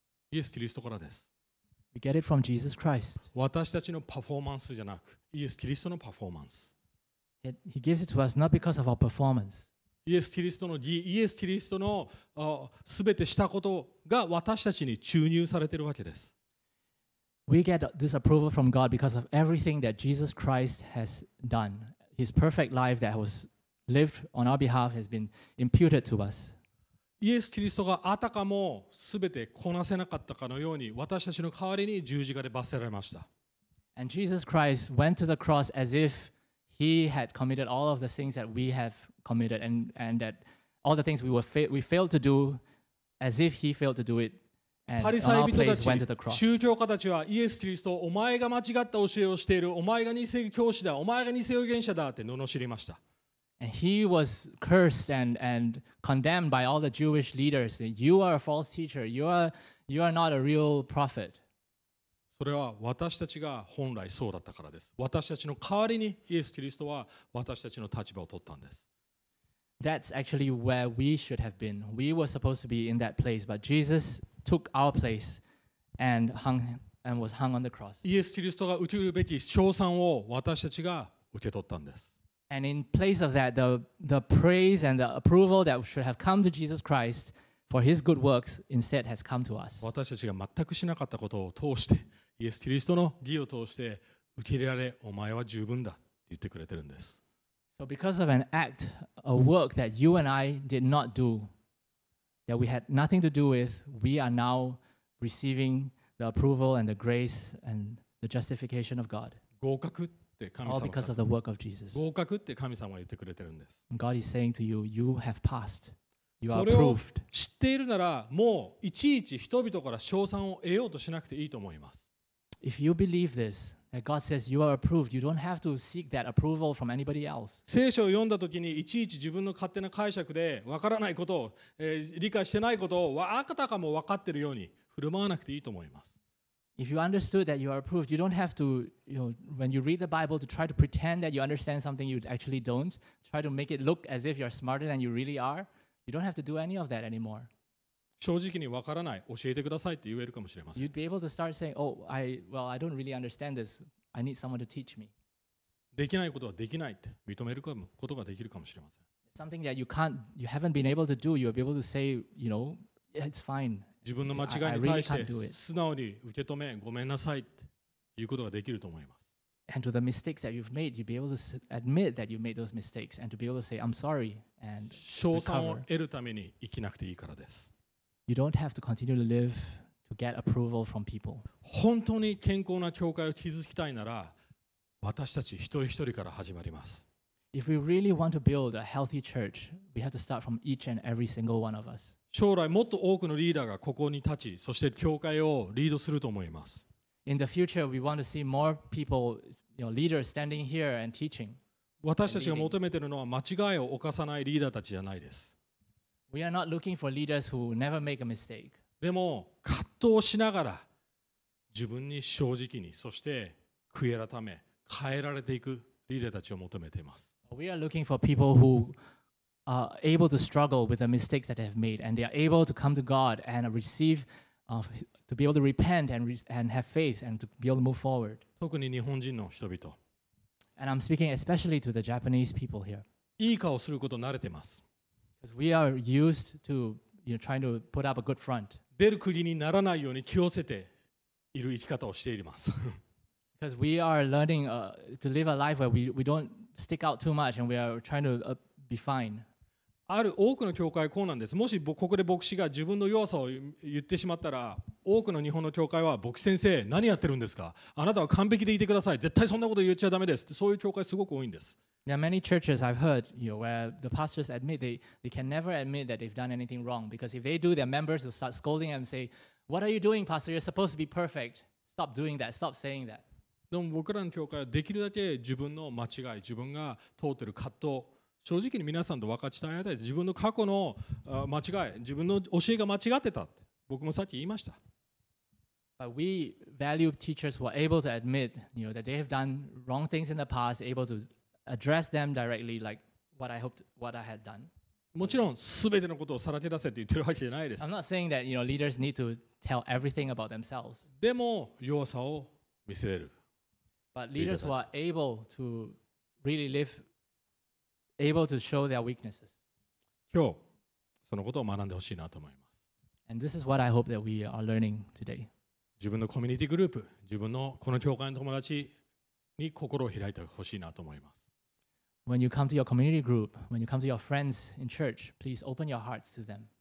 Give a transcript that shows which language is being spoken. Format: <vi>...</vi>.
<ja>イエス・キリストからです。</ja> <en>We get it from Jesus Christ.</en> <ja>私たちのパフォーマンスじゃなく、イエス・キリストのパフォーマンス。</ja> <en>He gives it to us not because of our performance.</en> <ja>イエス・キリストの義、イエス・キリストの全てしたことが私たちに注入されているわけです。</ja> <en>We get this approval from God because of everything that Jesus Christ has done. His perfect life that was lived on our behalf has been imputed to us.</en> <ja>イエス・キリストがあたかも全てこなせなかったかのように私たちの代わりに十字架で罰せられました。</ja> <en>And Jesus Christ went to the cross as if he had committed all of the things that we have committed and that all the things we failed to do as if he failed to do it.</en> <ja>パリサイ人たち、宗教家たちはイエス・キリスト、お前が間違った教えをしている、お前が偽教師だ、お前が偽預言者だって罵りました。</ja> <en>And he was cursed and condemned by all the Jewish leaders. You are a false teacher. You are not a real prophet.</en> <ja>それは私たちが本来そうだったからです。私たちの代わりにイエス・キリストは私たちの立場を取ったんです。</ja> <en>That's actually where we should have been. We were supposed to be in that place, but Jesus took our place and hung and was hung on the cross.</en> <ja>イエス・キリストが受けるべき称賛を私たちが受け取ったんです。</ja> <en>And in place of that, the praise and the approval that should have come to Jesus Christ for his good works instead has come to us.</en> <ja>私たちが全くしなかったことを通して、イエス・キリストの義を通して受け入れられ、お前は十分だって言ってくれてるんです。</ja> <en>So because of an act, a work that you and I did not do, that we had nothing to do with, we are now receiving the approval and the grace and the justification of God.</en> <ja>合格って神様。</ja> <en>All because of the work of Jesus.</en> <ja>合格って神様は言ってくれてるんです。</ja> <en>God is saying to you, you have passed. You are approved.</en> <ja>それを知っているなら、もういちいち人々から称賛を得ようとしなくていいと思います。</ja> <en>If you believe this,That God says you are approved. You don't have to seek that approval from anybody else.</en> <ja>聖書を読んだときにいちいち自分の勝手な解釈でわからないことを、理解してないことをあたかも分かっているように振る舞わなくていいと思います。</ja> <en>If you understood that you are approved, you don't have to, you know, when you read the Bible to try to pretend that you understand something you actually don't. Try to make it look as if you're smarter than you really are. You don't have to do any of that anymore.</en> <ja>正直にわからない、教えてくださいって言えるかもしれません。</ja> <en>You'd be able to start saying, "Oh, I don't really understand this. I need someone to teach me."</en> <ja>できないことはできないって認めることができるかもしれません。</ja> <en>Something that you haven't been able to do, you'll be able to say, you know, it's fine.</en> <ja>自分の間違いに対して素直に受け止め、ごめんなさいっていうことができると思います。</ja> <en>And to the mistakes that you've made, you'd be able to admit that you made those mistakes and to be able to say, "I'm sorry." And</en> <ja>称賛を得るために生きなくていいからです。</ja> <en>You don't have to continue to live to get approval from people.</en> <ja>本当に健康な教会を築きたいなら、私たち一人一人から始まります。</ja> <en>If we really want to build a healthy church, we have to start from each and every single one of us.</en> <ja>将来もっと多くのリーダーがここに立ち、そして教会をリードすると思います。</ja> <en>In the future, we want to see more people, you know, leaders standing here and teaching.</en> <ja>私たちが求めているのは間違いを犯さないリーダーたちじゃないです。</ja> <en>We are not looking for leaders who never make a mistake.</en> <ja>でも葛藤しながら自分に正直にそして悔い改め変えられていくリーダーたちを求めています。</ja> <en>We are looking for people who are able to struggle with the mistakes that they have made and they are able to come to God and receive, to be able to repent and have faith and to be able to move forward.</en> <ja>特に日本人の人々。</ja> <en>And I'm speaking especially to the Japanese people here.</en> <ja>いい顔すること慣れてます。</ja> <en>Because we are used to, you know, trying to put up a good front.</en> <ja>出る釘にならないように気をつけている生き方をしています。</ja> <en>Because we are learning to live a life where we don't stick out too much and we are trying to be fine.</en> <ja>ある多くの教会はこうなんです。もしここで牧師が自分の弱さを言ってしまったら、多くの日本の教会は牧師先生、何やってるんですか？あなたは完璧でいてください。絶対そんなこと言っちゃダメです。そういう教会すごく多いんです。</ja> <en>There are many churches I've heard, you know, where the pastors admit they can never admit that they've done anything wrong because if they do, their members will start scolding them and say, "What are you doing, pastor? You're supposed to be perfect. Stop doing that. Stop saying that."</en> <ja>でも僕らの教会はできるだけ自分の間違い、自分が通ってる葛藤、正直に皆さんと分かち合いたい。自分の過去の間違い、自分の教えが間違ってたって僕もさっき言いました。</ja> <en>But we value teachers who are able to admit, you know, that they have done wrong things in the past, able to address them directly, like what I hoped, what I had done.</en> <ja>もちろん、すべてのことをさらけ出せって言ってるわけじゃないです。</ja> <en>I'm not saying that, you know, leaders need to tell everything about themselves.</en> <ja>でも、弱さを見せれる。</ja> <en>But leaders who are able to really live, able to show their weaknesses.</en> <ja>今日、そのことを学んでほしいなと思います。</ja> <en>And this is what I hope that we are learning today.</en> <ja>自分のコミュニティグループ、自分のこの教会の友達、に心を開いてほしいなと思います。</ja> <en>When you come to your community group, when you come to your friends in church, please open your hearts to them.</en>